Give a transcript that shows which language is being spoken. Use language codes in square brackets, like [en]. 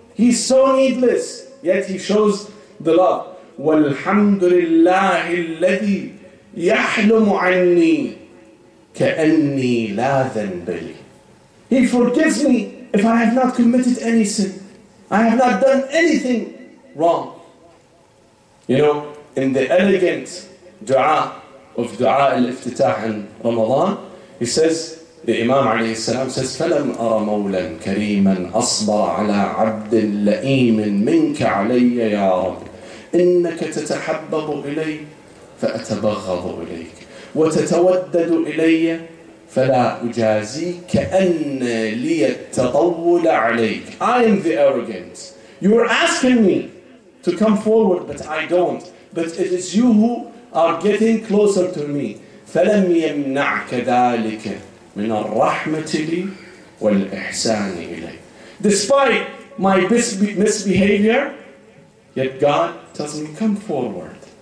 [en] He's so needless, yet he shows the love. [ar] وَالْحَمْدُ لِلَّهِ الَّذِي يَحْلُمُ عَنِّي كَأَنِّي لَا ذَنْبَ لِي. [en] He forgives me if I have not committed any sin. I have not done anything wrong. You know, in the elegant dua of Dua al-Iftitah in Ramadan, he says, the Imam alayhi salam says, [ar] فَلَمْ أَرَ مَوْلًا كَرِيمًا أَصْبَرَ عَلَىٰ عَبْدٍ لَئِيمٍ مِنْكَ عَلَيَّ يَا رَبِّ إِنَّكَ تَتَحَبَّبُ إِلَيَّ فَأَتَبَغَّضُ إِلَيْكَ وَتَتَوَدَّدُ إِلَيَّ فَلَا أُجَازِيكَ أَنَّ لِيَ التَّطَوُّلَ عَلَيْكَ. [en] I am the arrogant. You are asking me to come forward, but I don't. But it is you who are getting closer to me. [ar] فَلَمْ يَمْنَعْكَ ذَلِكَ مِنَ الرَّحْمَةِ لِي وَالْإِحْسَانِ إِلَيْكَ. [en] Despite my misbehavior, yet God tells me, come forward.